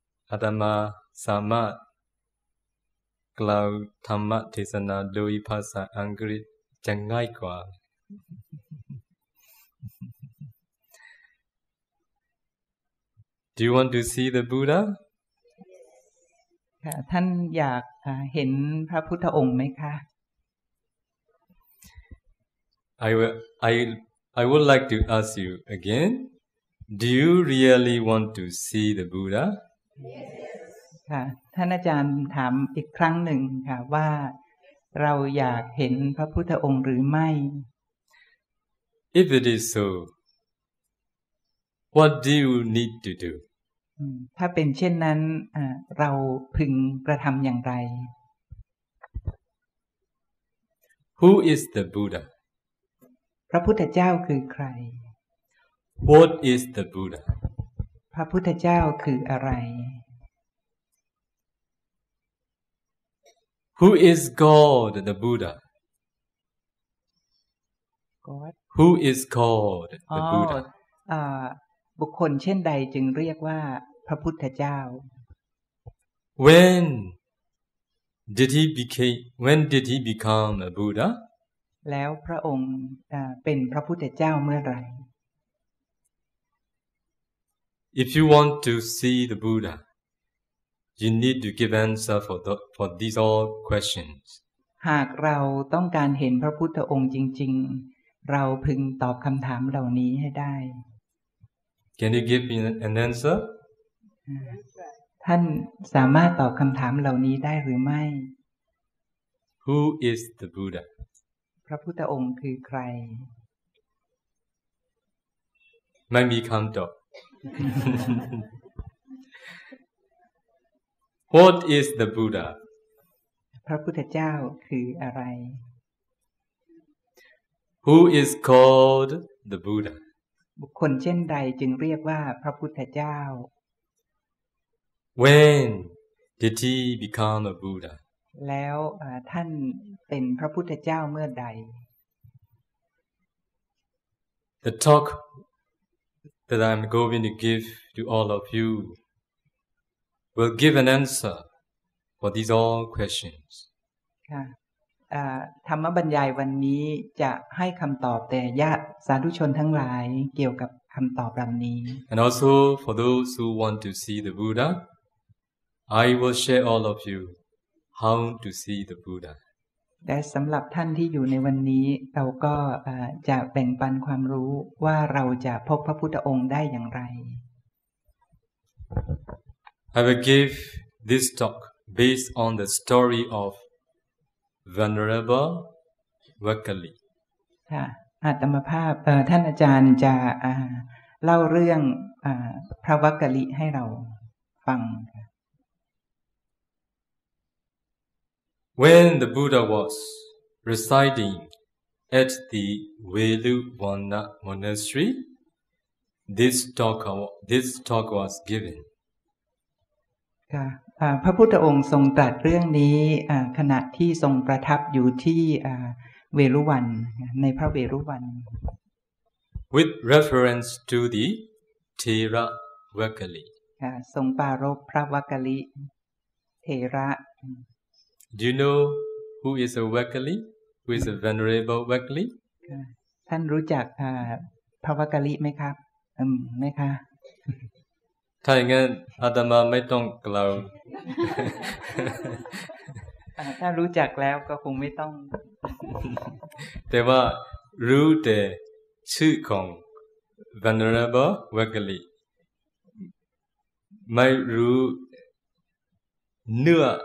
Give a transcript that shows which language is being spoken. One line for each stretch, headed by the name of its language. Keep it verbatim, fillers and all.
Thai: อาตมาสามารถกล่าวธรรมเทศนาโดยภาษาอังกฤษจะง่ายกว่า
English: Do you want to see the Buddha?
Thai: ท่านอยากเห็นพระพุทธองค์ไหมคะ
English: I will, I, I would like to ask you again. Do you really want to see the Buddha? Yes.
Thai: ท่านอาจารย์ถามอีกครั้งหนึ่งค่ะว่าเราอยากเห็นพระพุทธองค์หรือไม่
English: If it is so, what do you need to do?
Thai: ถ้าเป็นเช่นนั้นเราพึงกระทำอย่างไร
English: Who is the Buddha?
Thai: พระพุทธเจ้าคือใคร
English: What is the Buddha?
Thai: พระพุทธเจ้าคืออะไร
English: Who is God, the Buddha? God. Who is called the oh, Buddha?
Thai: อ่าบุคคลเช่นใดจึงเรียกว่าพระพุทธเจ้า
English: When Did he became? When did he become a Buddha?
Thai: แล้วพระองค์เป็นพระพุทธเจ้าเมื่อไหร่
English: If you want to see the Buddha, you need to give answer for the, for these all questions.
Thai: หากเราต้องการเห็นพระพุทธองค์จริงๆเราพึงตอบคำถามเหล่านี้ให้ได้
English: Can you give me an answer?
Thai: ท่านสามารถตอบคำถามเหล่านี้ได้หรือไม่
English: Who is the Buddha?
Thai: พระพุทธองค์คือใคร ไม่มีคำตอบ
English: What is the Buddha?
Thai: พระพุทธเจ้าคืออะไร
English: Who is called the Buddha?
Thai: บุคคลเช่นใดจึงเรียกว่าพระพุทธเจ้า
English: When did he become a Buddha?
Thai: แล้วท่านเป็นพระพุทธเจ้าเมื่อใด
English: The talk that I'm going to give to all of you will give an answer for these all questions.
Thai: ค่ะธรรมบรรยายวันนี้จะให้คำตอบแต่ญาติสาธุชนทั้งหลายเกี่ยวกับคำตอบเหล่านี้
English: And also for those who want to see the Buddha, I will share all of you how to see the Buddha.
Thai: และสำหรับท่านที่อยู่ในวันนี้เราก็จะแบ่งปันความรู้ว่าเราจะพบพระพุทธองค์ได้อย่างไร
English: I will give this talk based on the story of Venerable Wakali.
Thai: ค่ะอาตมาภาพท่านอาจารย์จะเล่าเรื่องพระวักกลิให้เราฟัง
English: When the Buddha was residing at the Veluwana monastery, this talk, this talk was given.
Thai: ค่ะพระพุทธองค์ทรงตรัสเรื่องนี้ขณะที่ทรงประทับอยู่ที่เวลุวันในพระเวลุวัน
English: With reference to the Thera Wakali.
Thai: ค่ะทรงปารภพระวักกลิเถระ
English: Do you know who is a Wakali? Who is a venerable Wakali?
Thai: ท่านรู้จักพระวักกลิไหมครับอืมไหมคะ ถ้าอย่างนั้นอาตมาไม่ต้องกล่าว ถ้ารู้จักแล้วก็คงไม่ต้อง แต่ว่ารู้แต่ชื่อของ venerable Wakali ไม่รู้เนื้อ